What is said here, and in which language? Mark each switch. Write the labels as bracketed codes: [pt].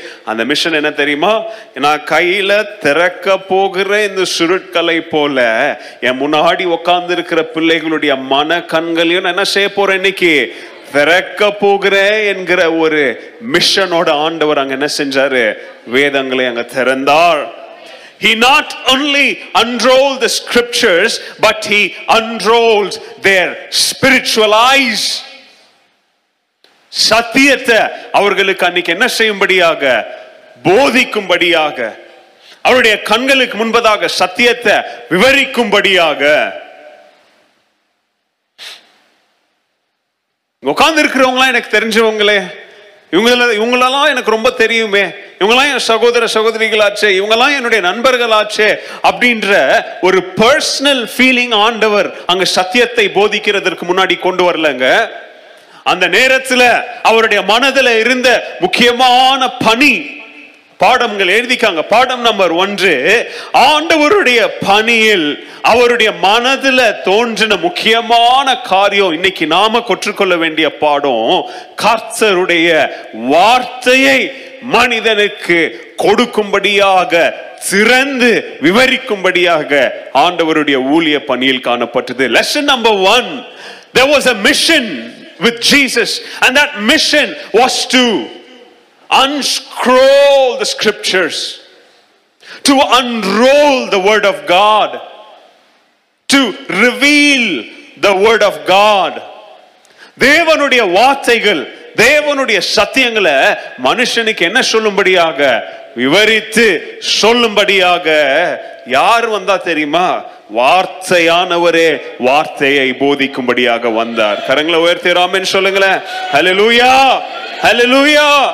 [ta] அந்த மிஷன் என்ன தெரியுமா, நான் கையில திறக்க போகிற இந்த சுருட்களை போல என் முன்னாடி உட்கார்ந்து இருக்கிற பிள்ளைகளுடைய மன கண்களையும் நான் என்ன செய்ய போறேன், இன்னைக்கு திறக்க போகிறேன் என்கிற ஒரு மிஷனோட ஆண்டவர் அங்க என்ன செஞ்சாரு, வேதங்களை அங்க திறந்தார். [en] He not only unrolled the scriptures, but he unrolled their spiritual eyes. [ta] சத்தியத்தை அவர்களுக்கு அன்னைக்கு என்ன செய்யும்படியாக, போதிக்கும்படியாக, அவருடைய கண்களுக்கு முன்பதாக சத்தியத்தை விவரிக்கும்படியாக. உட்கார்ந்து இருக்கிறவங்களாம் எனக்கு தெரிஞ்சவங்களே, இவங்களெல்லாம் எனக்கு ரொம்ப தெரியுமே, இவங்கெல்லாம் என் சகோதர சகோதரிகளாச்சே, இவங்கெல்லாம் என்னுடைய நண்பர்களாச்சே அப்படின்ற ஒரு பர்சனல் ஃபீலிங் ஆண்டவர் அங்க சத்தியத்தை போதிக்கிறதுக்கு முன்னாடி கொண்டு வரலங்க. அந்த நேரத்துல அவருடைய மனதில் இருந்த முக்கியமான பணி, பாடங்கள் எழுதிக்காங்க, பாடம் நம்பர் 1, ஆண்டவருடைய பணியில் அவருடைய மனதில் தோன்றின முக்கியமான காரியம் இன்னைக்கு நாம கற்றுக்கொள்ள வேண்டிய பாடம், கர்த்தருடைய வார்த்தையை மனிதனுக்கு கொடுக்கும்படியாக திறந்து விவரிக்கும்படியாக ஆண்டவருடைய ஊழிய பணியில் காணப்பட்டது. Lesson number 1, [en] There was a mission with Jesus, and that mission was to unscroll the scriptures, to unroll the word of God, to reveal the word of God. [ta] தேவனுடைய வார்த்தைகள், தேவனுடைய சத்தியங்களை மனுஷனுக்கு என்ன சொல்லும்படியாக, விவரித்து சொல்லும்படியாக யார் வந்தா தெரியுமா? வார்த்தையானவரே வார்த்தையை போதிக்கும்படியாக வந்தார். கரங்களை உயர்த்திராமேன் சொல்லுங்களேன். ஹல்லேலூயா, ஹல்லேலூயா.